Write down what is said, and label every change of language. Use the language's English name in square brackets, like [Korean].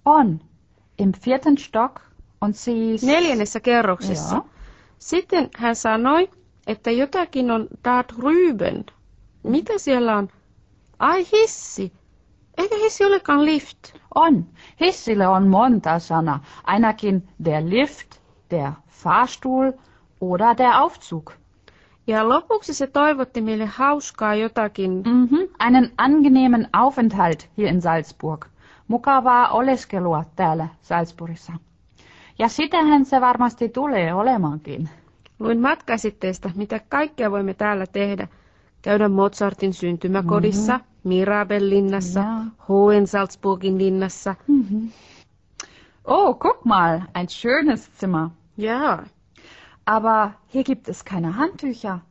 [German] On. Im vierten Stock. Und siis... [Finnish] Neljännessä kerroksessa. Joo. Sitten hän sanoi, että jotakin on [German] da drüben. [Finnish] Mitä siellä on? Ai hissi. Eikä hissi olekaan lift? On. Hissille on monta sana. [German] Ainakin der Lift, der Fahrstuhl oder der Aufzug. [Finnish] Ja lopuksi se toivotti meille hauskaa jotakin. Mm-hmm. [German] Einen angenehmen Aufenthalt hier in Salzburg. [Finnish] Mukavaa oleskelua täällä Salzburgissa. Ja sitähän se varmasti tulee olemaankin. Luin matkasitteista, mitä kaikkea voimme täällä tehdä. Käydä Mozartin syntymäkodissa, mm-hmm. Mirabel linnassa, Hohensalzburgin linnassa. Mm-hmm. [German] Oh, guck mal, ein schönes Zimmer. Ja. Aber hier gibt es keine Handtücher.